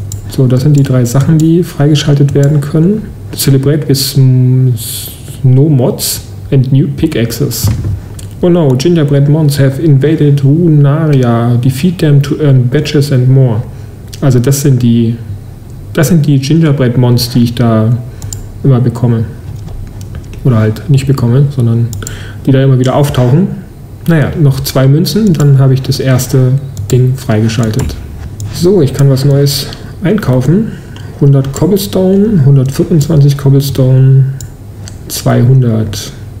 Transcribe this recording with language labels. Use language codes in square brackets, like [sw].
[de] So, das sind die drei Sachen, die freigeschaltet werden können. [en] Celebrate with snow mods and new pickaxes. Oh no, gingerbread mons have invaded Runaria. Defeat them to earn badges and more. [de] Also das sind die gingerbread mons, die ich da immer bekomme. Oder halt nicht bekomme, sondern die da immer wieder auftauchen. Naja, noch 2 Münzen, dann habe ich das erste Ding freigeschaltet. So, ich kann was Neues einkaufen. 100 Cobblestone, 125 Cobblestone, 200.